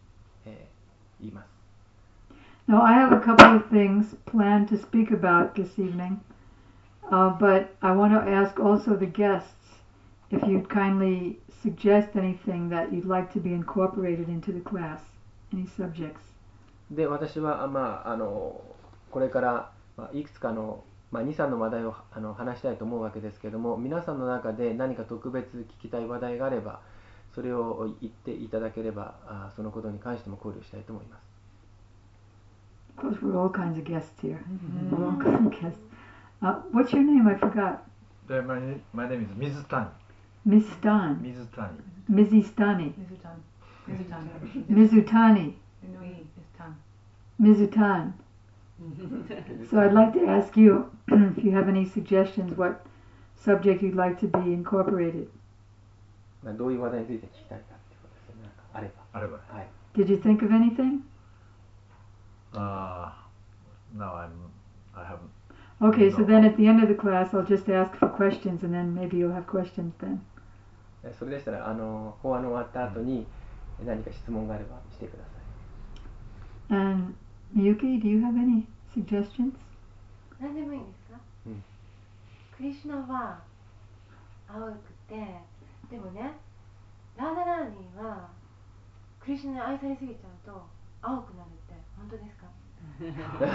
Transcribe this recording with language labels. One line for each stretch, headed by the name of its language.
English: So I have a couple of things planned to speak about this evening, but I want to ask also the guests if you'd kindly suggest anything that you'd like to be incorporated into the class, any subjects.
Japanese: で、私は、これから、いくつかの、2、3 の話題を話したいと思うわけですけれども、皆さんの中で何か特別聞きたい話題があれば、それを言っていただければ、そのことに関しても考慮したいと思います。
English: Of course, we're all kinds of guests here. Mm-hmm. All kinds of guests. What's your name? I forgot. My name is Mizutani. Mizutani. Mizutani. Mizutani. Mizutani. Mizutani. Mizutani. So I'd like to ask you if you have any suggestions what subject you'd like to be incorporated.
Japanese: どういう話題について聞きたいかってことですね。あれば。あれば。はい。
English: Did you think of anything? No, I haven't. Okay, so then at the end of the class, I'll just ask for questions, and then maybe you'll have questions then.
Japanese: それでしたら、法案の終わった後に何か質問があればしてください。
English: And Miyuki, do you have any suggestions?
Japanese: 何でもいいですか？クリシュナは青くて、でもね、ラーダラーニーはクリシュナに愛されすぎちゃうと青くなるって、本当ですか？